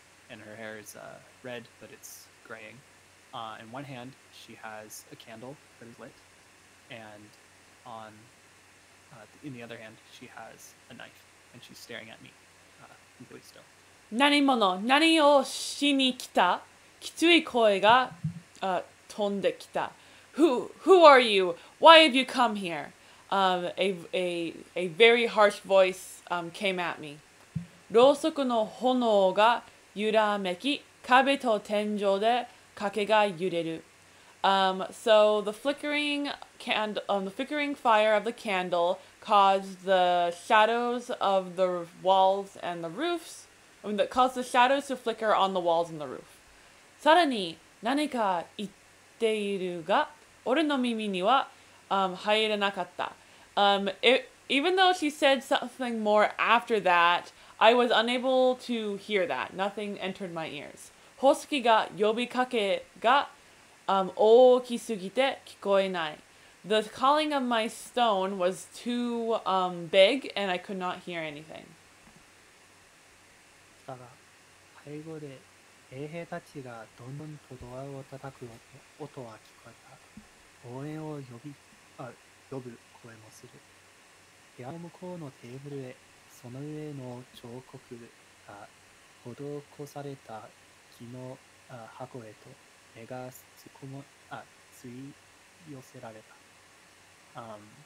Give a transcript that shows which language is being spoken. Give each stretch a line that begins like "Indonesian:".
English: And her hair is red, but it's graying. In one hand, she has a candle that is lit, and on in the other hand, she has a knife, and she's staring at me, completely still.
Japanese: 何もの、何をしに来た？きつい声が飛んできた。
English: Who are you? Why have you come here? A very harsh voice came at me.
Japanese: ろうそくの炎が揺らめき、壁と天井で賭けが揺れる。
English: So the flickering the flickering fire of the candle caused the shadows of the walls and the roofs. I mean, that caused the shadows to flicker on the walls and the roof.
Japanese: さらに何か言っているが、俺の耳には入れなかった。
English: Even though she said something more after that, I was unable to hear that. Nothing entered my ears.
Japanese: 宝石が呼びかけが大きすぎて聞こえない。
English: The calling of my stone was too big and I could not hear anything.
Japanese: だが、背後で衛兵たちがどんどんとドアを叩く音は聞こえた。応援を呼ぶ声もする。部屋の向こうのテーブルへ、その上の彫刻が施された木の箱へと目が吸い寄せられた。